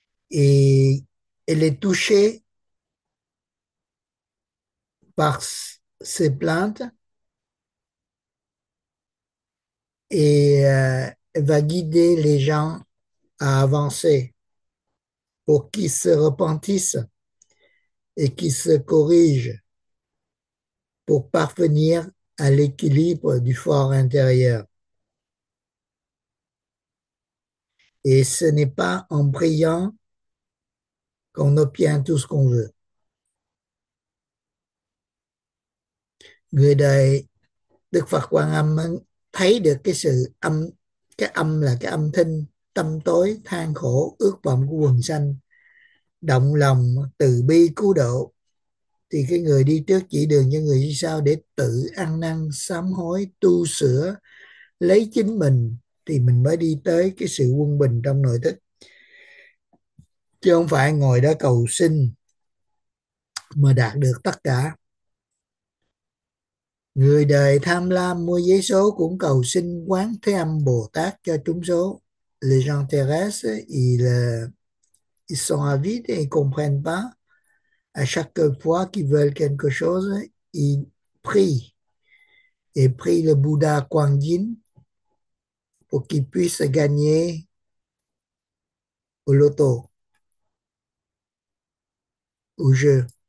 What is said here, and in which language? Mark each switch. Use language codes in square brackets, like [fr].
[fr] Et elle est touchée par ses plaintes et va guider les gens à avancer pour qu'ils se repentissent et qu'ils se corrigent pour parvenir à l'équilibre du fort intérieur. Et ce n'est pas en priant qu'on obtient tout ce qu'on veut. [vi] Người đời Đức Phật Quan Âm thấy được cái sự âm, cái âm là cái âm thanh tâm tối, than khổ, ước vọng của quần sanh, động lòng từ bi cứu độ, thì cái người đi trước chỉ đường cho người đi sau để tự ăn năn sám hối, tu sửa lấy chính mình, thì mình mới đi tới cái sự quân bình trong nội tức, chứ không phải ngồi đó cầu xin mà đạt được tất cả. Người đời tham lam mua giấy số cũng cầu xin Quán Thế Âm Bồ Tát cho trúng số. [fr] Les gens terrestres, ils sont avides et ils comprennent pas. À chaque fois qu'ils veulent quelque chose, ils prient. Et prient le Bouddha Kuan Yin pour qu'ils puissent gagner au loto, au jeu.